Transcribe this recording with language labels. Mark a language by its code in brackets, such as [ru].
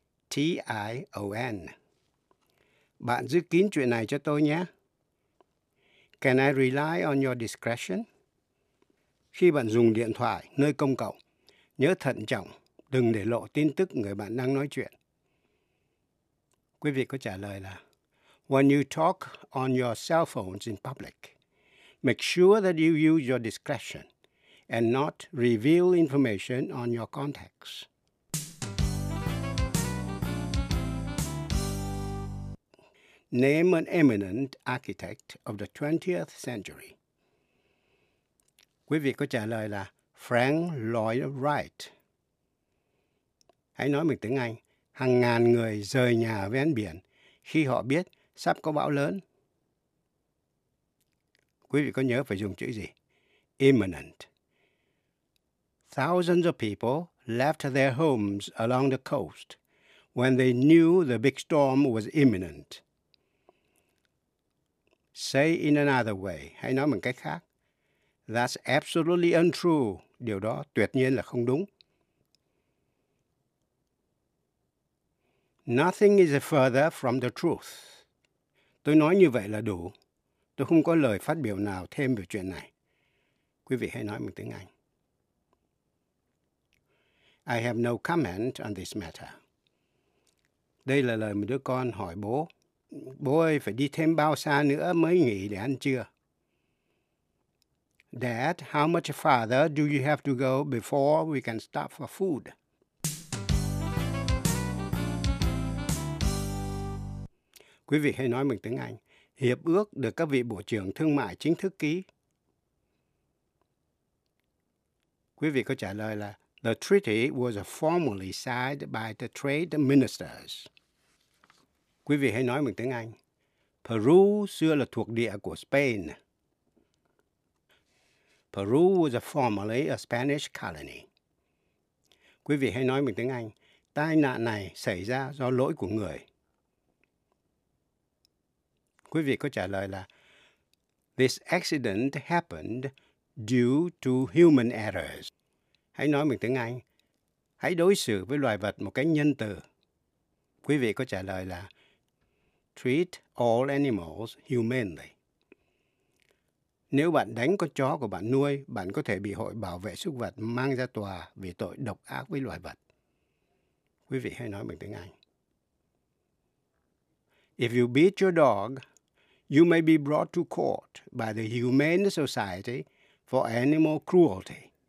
[vi] D-I-S-C-R-E-T-I-O-N. Bạn giữ kín chuyện này cho tôi nhé. [en] Can I rely on your discretion? [vi] Khi bạn dùng điện thoại nơi công cộng, nhớ thận trọng, đừng để lộ tin tức người bạn đang nói chuyện. Quý vị có trả lời là [en] When you talk on your cell phones in public, make sure that you use your discretion and not reveal information on your contacts. Name an eminent architect of the 20th century. [vi] Quý vị có trả lời là Frank Lloyd Wright. Hãy nói bằng tiếng Anh. hàng ngàn người rời nhà ở ven biển khi họ biết sắp có bão lớn. Quý vị có nhớ phải dùng chữ gì? [en] Imminent. Thousands of people left their homes along the coast when they knew the big storm was imminent. Say in another way, [vi] hay nói bằng cách khác. [en] That's absolutely untrue. [vi] Điều đó tuyệt nhiên là không đúng. [en] Nothing is further from the truth. [vi] Tôi nói như vậy là đủ. Tôi không có lời phát biểu nào thêm về chuyện này. Quý vị hãy nói bằng tiếng Anh. [en] I have no comment on this matter. [vi] Đây là lời một đứa con hỏi bố. Bố ơi, phải đi thêm bao xa nữa mới nghỉ để ăn trưa? [en] Dad, how much farther do you have to go before we can stop for food? [vi] Quý vị hãy nói bằng tiếng Anh. Hiệp ước được các vị Bộ trưởng Thương mại chính thức ký. Quý vị có trả lời là [en] The treaty was formally signed by the trade ministers. [vi] Quý vị hãy nói bằng tiếng Anh. Peru xưa là thuộc địa của Spain. [en] Peru was formerly a Spanish colony. [vi] Quý vị hãy nói bằng tiếng Anh. Tai nạn này xảy ra do lỗi của người. Quý vị có trả lời là [en] This accident happened due to human errors. [vi] Hãy nói bằng tiếng Anh. Hãy đối xử với loài vật một cách nhân từ. Quý vị có trả lời là [en] Treat all animals humanely. [vi] Nếu bạn đánh con chó của bạn nuôi, bạn có thể bị hội bảo vệ súc vật mang ra tòa vì tội độc ác với loài vật. Quý vị hãy nói bằng tiếng Anh. [en] If you beat your dog, you may be brought to court by the Humane Society for Animal Cruelty.